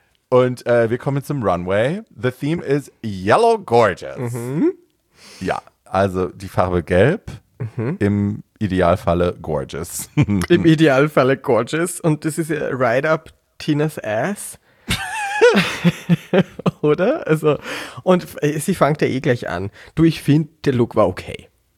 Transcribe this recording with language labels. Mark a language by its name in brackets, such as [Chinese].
[German] Und wir kommen zum Runway. [English] The theme is Yellow Gorgeous. [German] Ja, also die Farbe Gelb, im Idealfalle Gorgeous. Im Idealfalle Gorgeous. Und das ist ja [English] right up Tinas ass. [German] oder? Also, und sie fängt ja eh gleich an. Du, ich finde, der Look war okay.